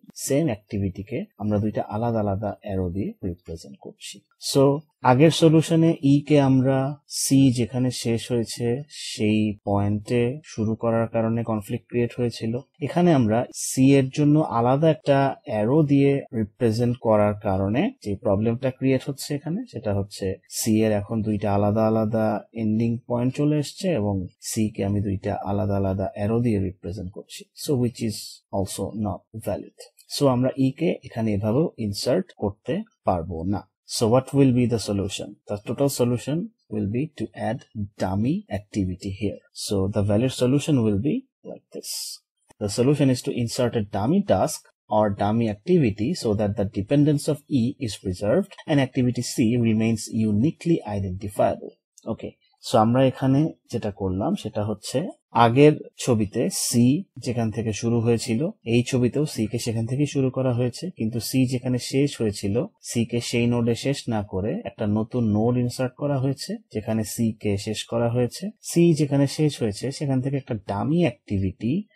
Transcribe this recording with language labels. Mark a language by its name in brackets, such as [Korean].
[Bangla] Same অ্যাক্টিভিটিকে আমরা দুইটা আলাদা আলাদা অ্যারো দিয়ে রিপ্রেজেন্ট করছি সো আগের সলিউশনে ই কে আমরা সি যেখানে শেষ হয়েছে সেই পয়েন্টে শুরু করার কারণে কনফ্লিক্ট ক্রিয়েট হয়েছিল এখানে আমরা সি এর জন্য আলাদা একটা অ্যারো দিয়ে রিপ্রেজেন্ট করার কারণে যে প্রবলেমটা ক্রিয়েট হচ্ছে এখানে সেটা হচ্ছে সি এর এখন দুইটা আলাদা আলাদা এন্ডিং পয়েন্ট চলে এসছে এবং সি কে আমি দুইটা আলাদা আলাদা অ্যারো দিয়ে রিপ্রেজেন্ট করছি so [English] which is also not valid [Bangla] so আমরা ই কে এখানে এভাবেও ইনসার্ট করতে পারবো না [English] So what will be the solution? The total solution will be to add dummy activity here. So the valid solution will be like this. The solution is to insert a dummy task or dummy activity so that the dependence of E is preserved and activity C remains uniquely identifiable. Okay. [Bangla] So আমরা এখানে যেটা করলাম সেটা হচ্ছে আগের ছবিতে C যেখান থেকে শুরু হয়েছিল এই ছবিতেও সি কে সেখান থেকে শুরু করা হয়েছে কিন্তু সি যেখানে শেষ হয়েছিল সি কে সেই নোডে শেষ না করে একটা নতুন নোড ইনসার্ট করা হয়েছে যেখানে সি কে শেষ করা হয়েছে সি যেখানে শেষ হয়েছে সেখান থেকে একটা ডামি অ্যাক্টিভিটি